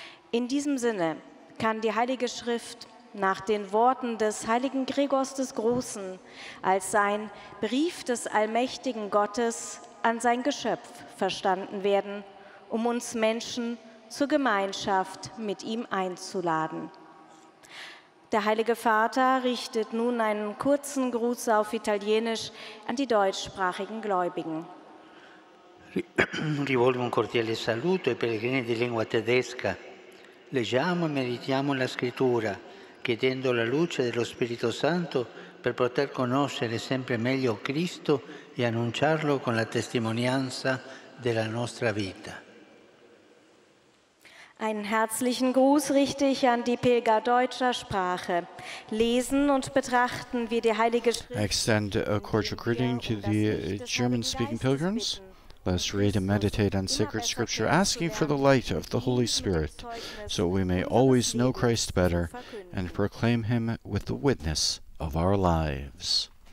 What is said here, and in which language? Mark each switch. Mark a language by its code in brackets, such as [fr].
[de] In diesem Sinne kann die Heilige Schrift nach den Worten des heiligen Gregors des Großen als ein Brief des allmächtigen Gottes an sein Geschöpf verstanden werden, um uns Menschen zur Gemeinschaft mit ihm einzuladen. Der Heilige Vater richtet nun einen kurzen Gruß auf Italienisch an die deutschsprachigen Gläubigen. [it] Rivolgo un cordiale saluto ai pellegrini di lingua tedesca. Leggiamo e meditiamo la scrittura, chiedendo la luce dello Spirito Santo per poter conoscere sempre meglio Cristo e annunciarlo con la testimonianza della nostra vita. [de] Einen herzlichen Gruß richte ich an die Pilger deutscher Sprache. Lesen und betrachten wir die Heilige Schrift. [en] I extend a cordial greeting to the German-speaking pilgrims. Let us read and meditate on sacred scripture, asking for the light of the Holy Spirit, so we may always know Christ better and proclaim him with the witness of our lives.